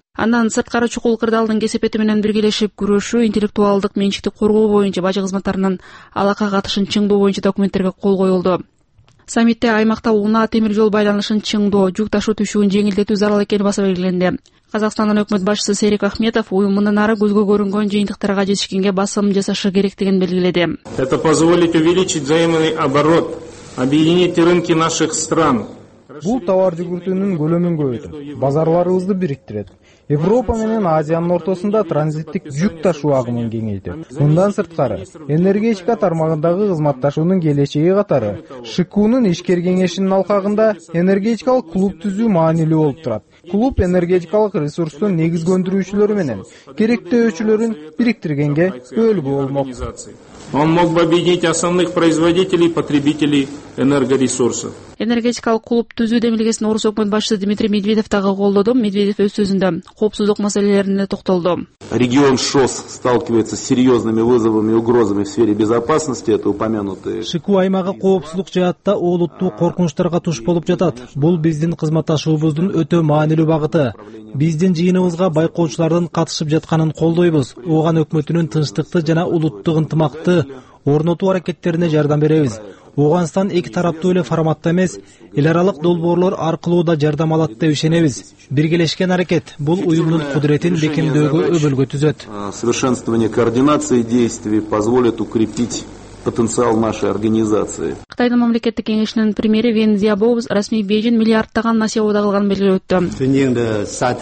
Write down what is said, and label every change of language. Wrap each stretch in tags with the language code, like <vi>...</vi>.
<ky>Андан сырткары чукул кырдаалдын кесепети менен биргелешип күрөшүү, интеллектуалдык менчикти коргоо боюнча бажы кызматтарынын алака катышын чыңдоо боюнча документтерге кол коюлду. Саммитте аймакта унаа темир жол байланышын чыңдоо, жүк ташуу түшүүн жеңилдетүү зарыл экени баса белгиленди. Казакстандын өкмөт башчысы Серик Ахметов уюмунан ары көзгө көрүнгөн жыйынтыктарга жетишкенге басым жасашы керектигин белгиледи.</ky> <ru>Это позволит увеличить взаимный оборот, объединить рынки наших стран.</ru> <ky>Бул товар жүгүртүүнүн көлөмүн көбөйтөт, базарларыбызды бириктирет. Европа менен Азиянын ортосунда транзиттик жүк ташуу агымын кеңейтет. Мындан сырткары, энергетика тармагындагы кызматташуунун келечеги катары ШКУ-нун ишкер кеңешинин алкагында энергетикалык клуб түзүү маанилүү болуп турат. Клуб энергетикалык ресурстун негизгөндүрүүчүлөрү менен керектөөчүлөрүн бириктиргенге өлгү болмок.</ky> <ru>Он мог бы объединить основных производителей и потребителей энергоресурсов.</ru> <ky>Энергетикалык клуб түзүү демилгесин орус өкмөт башчысы Дмитрий Медведев дагы колдоду. Медведев өз сөзүндө коопсуздук маселелерине токтолду.</ky> <ru>Регион ШОС сталкивается с серьезными вызовами и угрозами в сфере безопасности. Это упомянутые.</ru> <ky>ШКУ аймагы коопсуздук жаатта олуттуу коркунучтарга туш болуп жатат. Бул биздин кызматташуубуздун өтө маанилүү багыты. Биздин жыйыныбызга байкоочулардын катышып жатканын колдойбуз. Ооган өкмөтүнүн тынчтыкты жана улуттук ынтымакты орнотуу аракеттерине жардам беребиз. Ооганстан эки тараптуу эле форматта эмес, эл аралык долбоорлор аркылуу да жардам алат деп ишенебиз. Биргелешкен аракет бул уюмдун кудуретин бекемдөөгө өбөлгө түзөт.</ky> <ru>Совершенствование координации действий позволит укрепить потенциал нашей организации.</ru> <ky>Кытайдын мамлекеттик кеңешинин премьери Вен Зиябоубуз расмий Бээжин миллиарддаган насиябууда кылган белгилеп өттү.</ky>